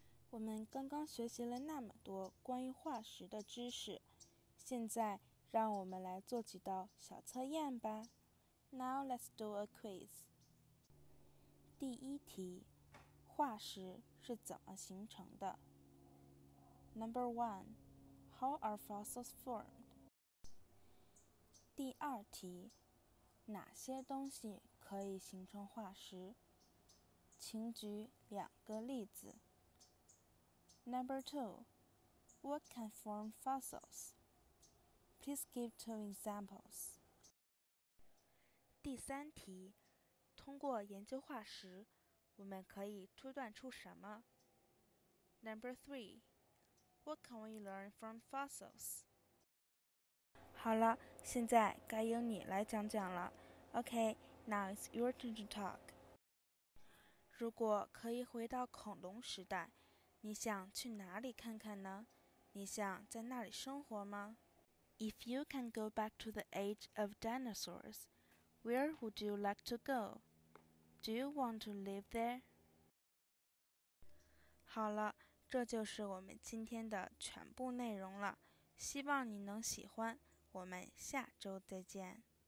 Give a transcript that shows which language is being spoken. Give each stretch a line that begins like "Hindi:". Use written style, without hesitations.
Chinese: 我们刚刚学习了那么多关于化石的知识，现在让我们来做几道小测验吧。
English: Now let's do a quiz.
Chinese: 第一题，化石是怎么形成的？
English: Number one, how are fossils formed?
Chinese: 第二题，哪些东西可以形成化石？请举两个例子。
English: Number two, what can form fossils? Please give two examples.
Chinese: 第三题，通过研究化石，我们可以推断出什么？
English: Number three,What can we learn from fossils?
Chinese: 好了，现在该由你来讲讲了。
English: OK, now it's your turn to talk.
Chinese: 如果可以回到恐龙时代，你想去哪里看看呢？你想在那里生活吗？
English: If you can go back to the age of dinosaurs, where would you like to go? Do you want to live there?
Chinese: 好了，这就是我们今天的全部内容了，希望你能喜欢，我们下周再见。